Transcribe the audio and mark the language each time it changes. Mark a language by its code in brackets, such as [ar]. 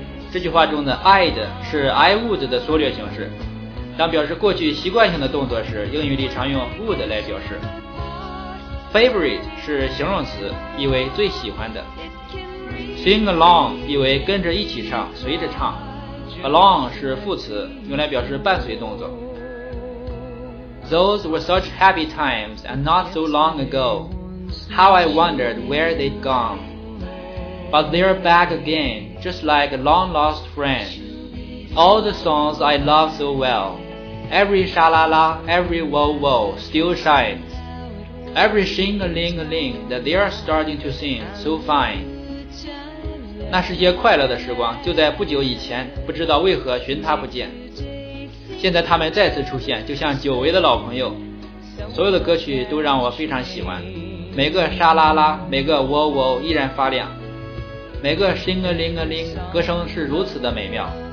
[zh] 这句话中的 I'd 是 I would 的缩略形式，当表示过去习惯性的动作时，英语里常用 would 来表示。 Favorite 是形容词，意为最喜欢的。Sing along 意为跟着一起唱，随着唱。 Along 是副词，用来表示伴随动作。 [en] Those were such happy times and not so long ago. How I wondered where they'd goneBut they're back again, just like a long-lost friend. All the songs I love so well, every sha-la-la, every woe-woe still shines. Every shing-a-ling-a-ling that they're starting to sing so fine. [zh] 那是些快乐的时光，就在不久以前，不知道为何寻他不见。现在他们再次出现，就像久违的老朋友。所有的歌曲都让我非常喜欢，每个sha-la-la，每个woe-woe依然发亮。每个 shing-a-ling-a-ling 歌声是如此的美妙。